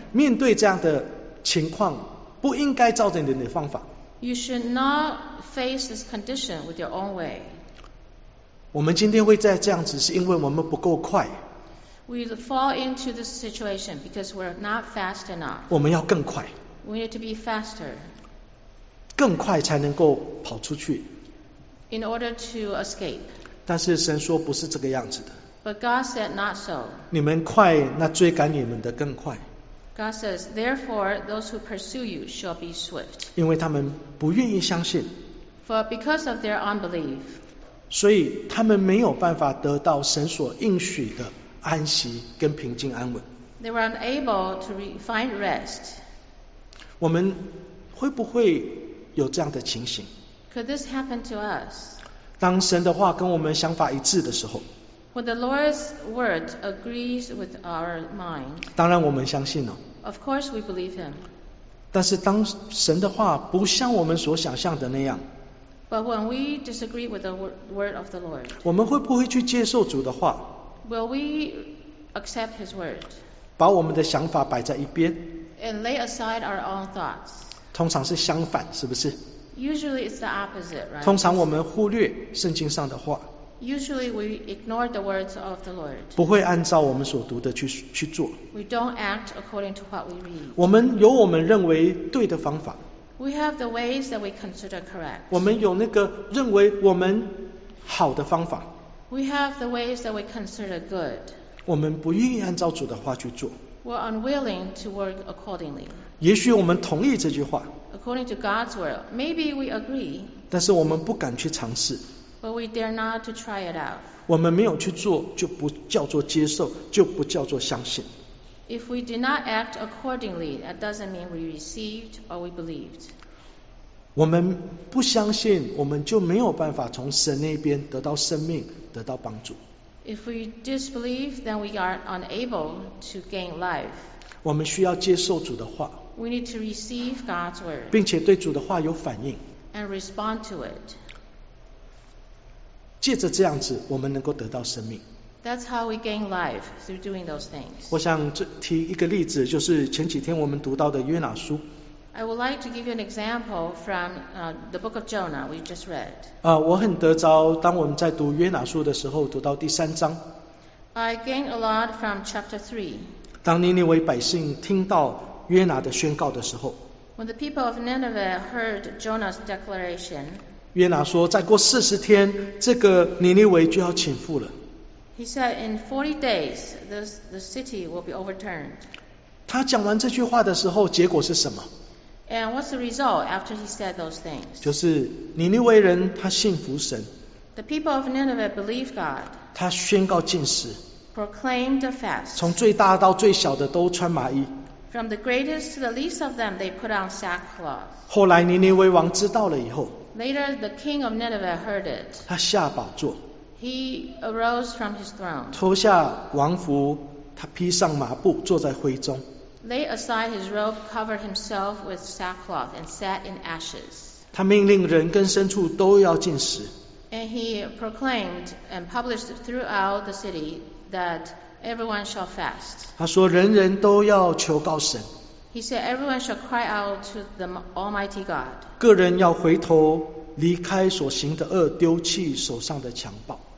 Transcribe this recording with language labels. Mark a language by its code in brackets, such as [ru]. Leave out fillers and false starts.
[zh] 面对这样的情况，不应该照着你的方法。 [en] You should not face this condition with your own way. [zh] 我们今天会在这样子，是因为我们不够快。 [en] We fall into this situation because we're not fast enough. [zh] 我们要更快。 [en] We need to be faster. [zh] 更快才能够跑出去。 [en] In order to escape. [zh] 但是神说不是这个样子的。 [en] But God said not so. [zh] 你们快，那追赶你们的更快。 [en] God says, therefore, those who pursue you shall be swift. [zh] 因为他们不愿意相信。 [en] For because of their unbelief. [zh] 所以他们没有办法得到神所应许的安息跟平静安稳。 [en] They were unable to find rest. [zh] 我们会不会有这样的情形？ [en] Could this happen to us? [zh] 当神的话跟我们想法一致的时候。 [en] When the Lord's word agrees with our mind, [zh] 当然我们相信了。 [en] Of course we believe him. [zh] 但是当神的话不像我们所想象的那样。 [en] But when we disagree with the word of the Lord, [zh] 我们会不会去接受主的话？ [en] Will we accept his word? [zh] 把我们的想法摆在一边。 [en] And lay aside our own thoughts. [zh] 通常是相反，是不是？ [en] Usually it's the opposite, right? [zh] 通常我们忽略圣经上的话。 [en] Usually we ignore the words of the Lord. [zh] 不会按照我们所读的去做。 [en] We don't act according to what we read. [zh] 我们有我们认为对的方法。 [en] We have the ways that we consider correct. [zh] 我们有那个认为我们好的方法。 [en] We have the ways that we consider good. [zh] 我们不愿意按照主的话去做。 [en] We're unwilling to work accordingly. [zh] 也许我们同意这句话。 [en] According to God's will, maybe we agree. [zh] 但是我们不敢去尝试。 [en] But we dare not to try it out. [zh] 我们没有去做，就不叫做接受，就不叫做相信。 [en] If we do not act accordingly, that doesn't mean we received or we believed. [zh] 我们不相信，我们就没有办法从神那边得到生命，得到帮助。 [en] If we disbelieve, then we are unable to gain life. [zh] 我们需要接受主的话。 [en] We need to receive God's word. [zh] 并且对主的话有反应。 [en] And respond to it. [zh] 借着这样子，我们能够得到生命。 [en] That's how we gain life through doing those things. [zh] 我想提一个例子，就是前几天我们读到的约拿书。 [en] I would like to give you an example from the book of Jonah we just read. [zh] 我很得着，当我们在读约拿书的时候，读到第三章。 [en] I gained a lot from chapter 3. [zh] 当尼尼微百姓听到约拿的宣告的时候。 [en] When the people of Nineveh heard Jonah's declaration. [zh] 约拿说，再过40天，这个尼尼微就要倾覆了。 [en] He said in 40 days, the city will be overturned. [zh] 他讲完这句话的时候，结果是什么？ [en] And what's the result after he said those things? [zh] 就是尼尼微人他信服神。 [en] The people of Nineveh believe God. [zh] 他宣告禁食。 [en] Proclaimed a fast. [zh] 从最大到最小的都穿麻衣。 [en] From the greatest to the least of them, they put on sackcloth. [zh] 后来尼尼微王知道了以后。 [en] Later, the king of Nineveh heard it. [zh] 他下宝座。 [en] He arose from his throne. [zh] 脱下王服，他披上麻布，坐在灰中。 [en] Lay aside his robe, covered himself with sackcloth, and sat in ashes. [zh] 他命令人跟牲畜都要禁食。 [en] And he proclaimed and published throughout the city that everyone shall fast. [zh] 他说人人都要求告神。 [en] He said everyone shall cry out to the Almighty God. [zh] 个人要回头离开所行的恶，丢弃手上的强暴。